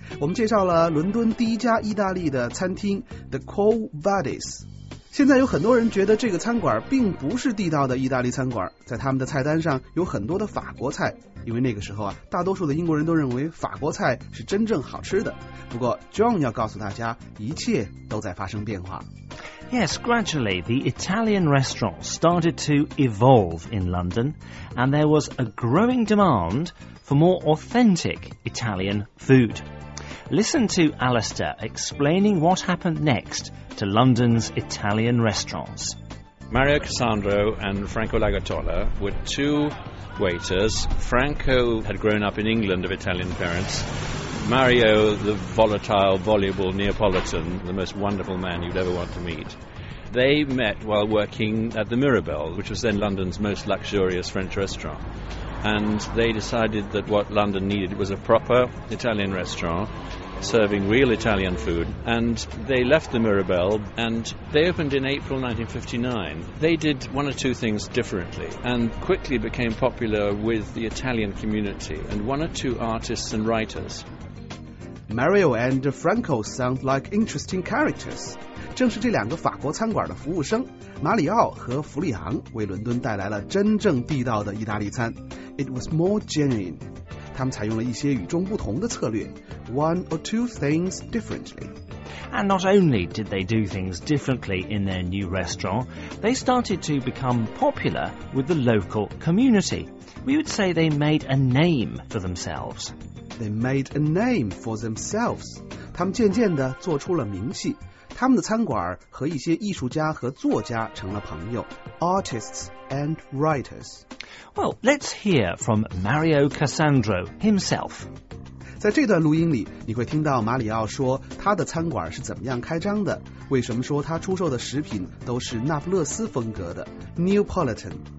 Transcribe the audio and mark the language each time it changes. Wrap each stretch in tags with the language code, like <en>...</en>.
<zh>我们介绍了伦敦第一家意大利的餐厅 The Covadis。现在有很多人觉得这个餐馆并不是地道的意大利餐馆，在他们的菜单上有很多的法国菜，因为那个时候啊，大多数的英国人都认为法国菜是真正好吃的。不过 John 要告诉大家，一切都在发生变化。</zh> <en>Yes, gradually the Italian restaurant started to evolve in London, and there was a growing demand for more authentic Italian food. Listen to Alistair explaining what happened next to London's Italian restaurants. Mario Cassandro and Franco Lagatola were two waiters. Franco had grown up in England of Italian parents. Mario, the volatile, voluble Neapolitan, the most wonderful man you'd ever want to meet. They met while working at the Mirabel, which was then London's most luxurious French restaurant. And they decided that what London needed was a proper Italian restaurant serving real Italian food. And they left the Mirabel and they opened in April 1959. They did one or two things differently and quickly became popular with the Italian community and one or two artists and writers. Mario and Franco sound like interesting characters.</en> <zh>正是这两个法国餐馆的服务生，马里奥和弗里昂，为伦敦带来了真正地道的意大利餐。</zh> <en>It was more genuine.</en> <zh>他们采用了一些与众不同的策略。</zh> <en>One or two things differently. And not only did they do things differently in their new restaurant, they started to become popular with the local community. We would say they made a name for themselves. They made a name for themselves.</en> <zh>他们渐渐地做出了名气。他们的餐馆和一些艺术家和作家成了朋友。</zh> <en>Artists and writers. Well, let's hear from Mario Cassandro himself.</en> <zh>在这段录音里，你会听到马里奥说他的餐馆是怎么样开张的，为什么说他出售的食品都是那不勒斯风格的 Neapolitan。</zh>